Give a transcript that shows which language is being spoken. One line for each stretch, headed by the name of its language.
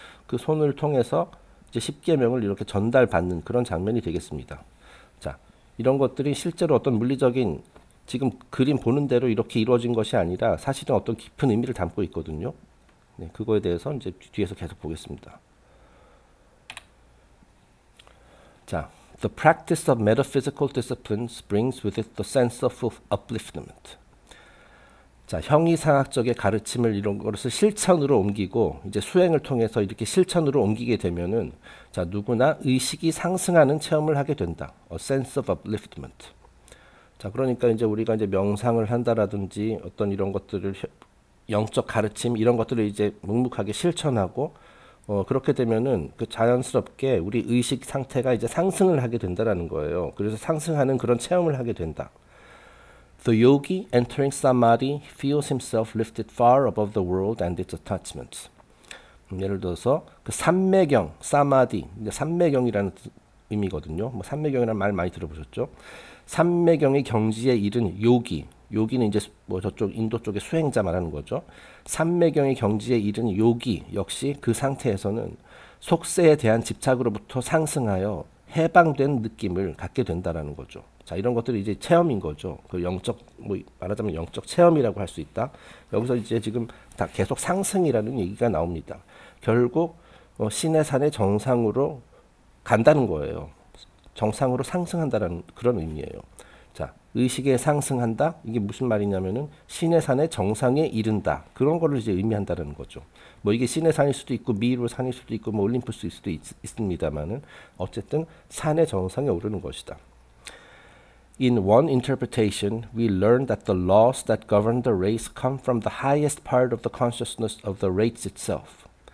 Korean: 그 손을 통해서 이제 십계명을 이렇게 전달받는 그런 장면이 되겠습니다. 자, 이런 것들이 실제로 어떤 물리적인 지금 그림 보는 대로 이렇게 이루어진 것이 아니라 사실은 어떤 깊은 의미를 담고 있거든요. 네, 그거에 대해서 이제 뒤에서 계속 보겠습니다. 자.
English: The practice of metaphysical disciplines brings with it the sense of upliftment.
Korean: 자, 형이상학적의 가르침을 이런 것을 실천으로 옮기고 이제 수행을 통해서 이렇게 실천으로 옮기게 되면은 자, 누구나 의식이 상승하는 체험을 하게 된다.
English: A sense of upliftment.
Korean: 자, 그러니까 이제 우리가 이제 명상을 한다라든지 어떤 이런 것들을 영적 가르침 이런 것들을 이제 묵묵하게 실천하고 그렇게 되면은 그 자연스럽게 우리 의식 상태가 이제 상승을 하게 된다라는 거예요. 그래서 상승하는 그런 체험을 하게 된다.
English: The yogi entering samadhi feels himself lifted far above the world and its attachments.
Korean: 예를 들어서 그 삼매경, 사마디, 삼매경이라는 의미거든요. 뭐 삼매경이라는 말 많이 들어보셨죠? 삼매경의 경지에 이른 요기. 요기는 이제 뭐 저쪽 인도 쪽의 수행자 말하는 거죠. 삼매경의 경지에 이른 요기 역시 그 상태에서는 속세에 대한 집착으로부터 상승하여 해방된 느낌을 갖게 된다라는 거죠. 자, 이런 것들이 이제 체험인 거죠. 그 영적 뭐 말하자면 영적 체험이라고 할수 있다. 여기서 이제 지금 다 계속 상승이라는 얘기가 나옵니다. 결국 신의 산의 정상으로 간다는 거예요. 정상으로 상승한다라는 그런 의미예요. 의식에 상승한다? 이게 무슨 말이냐면은 신의 산의 정상에 이른다. 그런 거를 이제 의미한다는 거죠. 뭐 이게 신의 산일 수도 있고 미루 산일 수도 있고 뭐 올림푸스일 수도 있습니다만은 어쨌든 산의 정상에 오르는 것이다.
English: In one interpretation, we learn that the laws that govern the race come from the highest part of the consciousness of the race itself.